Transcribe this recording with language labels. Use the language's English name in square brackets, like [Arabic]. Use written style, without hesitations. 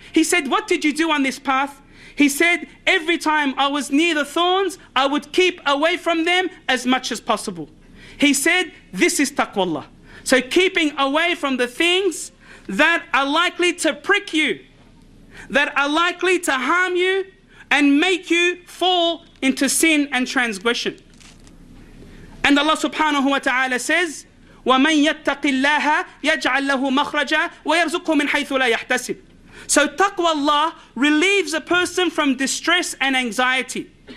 [English] He said, what did you do on this path? He said, every time I was near the thorns, I would keep away from them as much as possible. He said, this is taqwa Allah. So keeping away from the things that are likely to prick you, that are likely to harm you and make you fall into sin and transgression. And Allah subhanahu wa ta'ala says, [Arabic] وَمَنْ يَتَّقِ اللَّهَ يَجْعَلْ لَهُ مَخْرَجًا وَيَرْزُقُهُ مِنْ حَيْثُ لَا يَحْتَسِبُ. [English] So taqwa Allah relieves a person from distress and anxiety.